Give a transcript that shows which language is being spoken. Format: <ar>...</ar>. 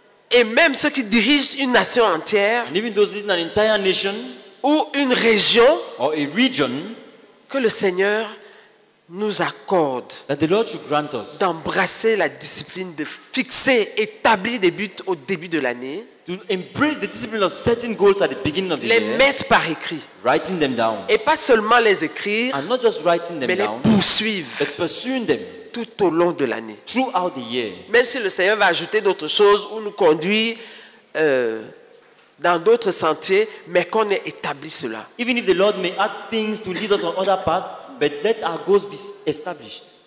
<fr>et même ceux qui dirigent une nation entière,</fr> <en>and even those leading an entire nation,</en> <fr>ou une région,</fr> <en>or a region,</en> <fr>que le Seigneur nous accorde,</fr> <en>that the Lord should grant us,</en> <fr>d'embrasser la discipline de fixer, établir des buts au début de l'année,</fr> <en>to embrace the discipline of setting goals at the beginning of the</en> <fr>les les mettre par écrit,</fr> <en>writing them down,</en> <fr>et pas seulement les écrire,</fr> <en>and not just writing them</en> <fr>mais</fr> <en>down,</en> <fr>mais les poursuivre,</fr> <en>but pursuing them,</en> <fr>tout au long de l'année,</fr> <en>throughout the year,</en> <fr>même si le Seigneur va ajouter d'autres choses ou nous conduire dans d'autres sentiers, mais qu'on ait établi cela.</fr> <en>Even if the Lord may add things to lead us on other paths, but let our goals be established.</en>